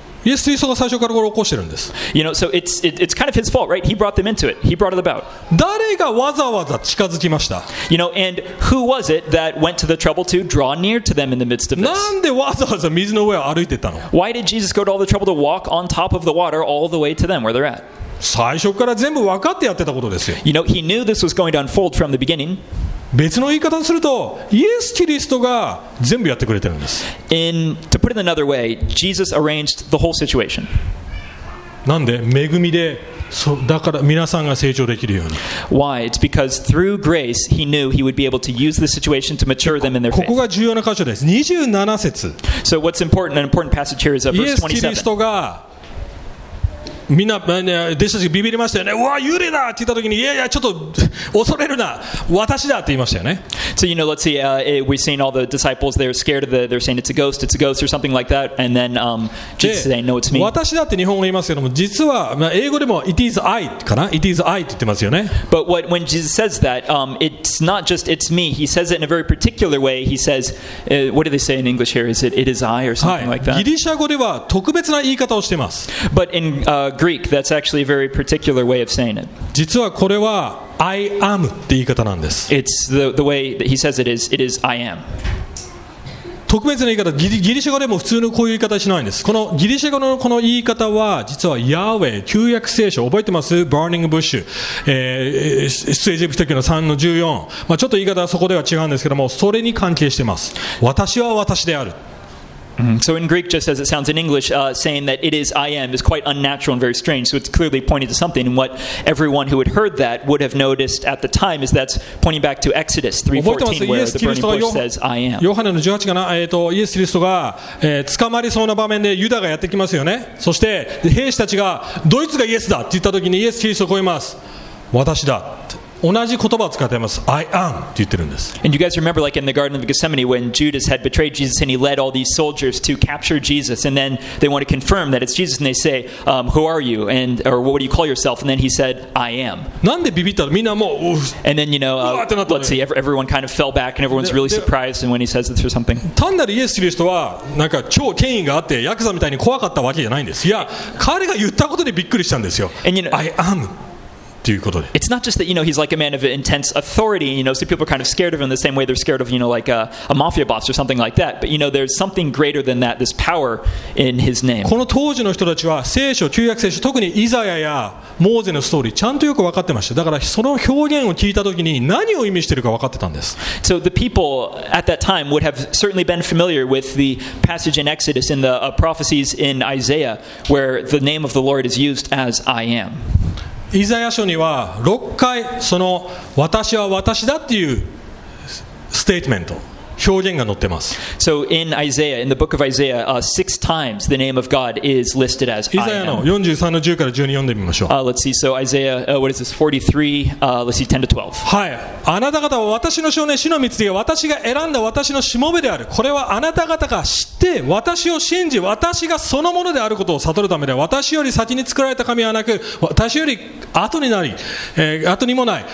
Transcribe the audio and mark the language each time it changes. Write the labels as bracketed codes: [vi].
[ja] イエス・キリストが最初からこれを起こしてるんです。 [en] You know, so it's kind of his fault, right? He brought them into it. He brought it about. [ja] 誰がわざわざ近づきました? [en] You know, and who was it that went to the trouble to draw near to them in the midst of this? [ja] なんでわざわざ水の上を歩いてたの? [en] Why did Jesus go to all the trouble to walk on top of the water all the way to them where they're at? [ja] 最初から全部分かってやってたことですよ。 [en] You know, he knew this was going to unfold from the beginning. [ja] 別の言い方をすると、イエス・キリストが全部やってくれてるんです。 [en] To put it another way, Jesus arranged the whole situation. [ja] なんで恵みで、だから皆さんが成長できるように。 [en] Why? It's because through grace, he knew he would be able to use the situation to mature them in their faith. [ja] ここが重要な箇所です。 27節。 [en] So what's important, an important passage here is verse 27. [ja] イエス・キリストがみんな弟子たちがビビりましたよね。うわ、幽霊だって言った時に、いやいや、ちょっと恐れるな、私だって言いましたよね。 [en] So, you know, let's see, we've seen all the disciples, they're scared of the, they're saying it's a ghost or something like that, and then Jesus is saying, no, it's me. [ja] 私だって日本語言いますけども、実は、まあ、英語でも [en] it is I [ja] かな、 [en] it is I [ja] って言ってますよね。 [en] But what, when Jesus says that, it's not just it's me, he says it in a very particular way, he says, what do they say in English here, is it it is I or something、 [ja] はい、 [en] like that? [ja] ギリシャ語では特別な言い方をしてます。 [en] But in, Greek, that's actually a very particular way of saying it. [ja] 実はこれは [en] I am [ja] って言い方なんです。 [en] It's the way that he says it is I am. [ja] 特別な言い方、ギリシャ語でも普通のこういう言い方しないんです。このギリシャ語のこの言い方は、実はヤーウェイ、旧約聖書、覚えてます ? [en] Burning Bush、 [ja] 出エジプト記の3の14。まあ、ちょっと言い方はそこでは違うんですけども、それに関係してます。私は私である。 Mm-hmm. [en] So in Greek, just as it sounds in English, saying that it is I am is quite unnatural and very strange. So it's clearly pointing to something. And what everyone who had heard that would have noticed at the time is that's pointing back to Exodus 3:14, where the burning bush says I am. [ja] ヨハネの18かな、イエス・キリストが、捕まりそうな場面でユダがやってきますよね。そして兵士たちがドイツがイエスだって言った時にイエス・キリストを超えます。私だ。同じ言葉を使っています。 [en] I am [ja] って言ってるんです。 [en] And you guys remember, like in the Garden of Gethsemane, when Judas had betrayed Jesus and he led all these soldiers to capture Jesus, and then they want to confirm that it's Jesus, and they say, "Who are you? And or what do you call yourself?" And then he said, "I am." [ja] なんでビビったの？みんなもう。 [en] And then you know, let's see, everyone kind of fell back, and everyone's really surprised. And when he says this or something, [ja] 単なるイエス・キリストはなんか超権威があってヤクザみたいに怖かったわけじゃないんです。いや、彼が言ったことでびっくりしたんですよ。 [en] And you know, I am. It's not just that, you know, he's like a man of intense authority, you know, so people are kind of scared of him the same way they're scared of, you know, like a mafia boss or something like that. But, you know, there's something greater than that, this power in his name. [ja] この当時の人たちは聖書、旧約聖書、特にイザヤやモーゼのストーリーちゃんとよく分かってました。だからその表現を聞いた時に何を意味してるか分かってたんです。 [en] So the people at that time would have certainly been familiar with the passage in Exodus in the prophecies in Isaiah where the name of the Lord is used as I am. [ja] イザヤ書には6回その私は私だっていうステートメント表現が載ってます。 [en] So in Isaiah, in the book of Isaiah, six times the name of God is listed as I am. [ja] イザヤの43の10から12読んでみましょう。 [en] Let's see. So Isaiah, what is this? 43. Let's see, 10 to 12. [ja] はい。あなた方は私の少年、主の御子が私が選んだ私のしもべである。これはあなた方が知って私を信じ、私がそのものであることを悟るためで、私より先に作られた神はなく、私より後になり、後にもない。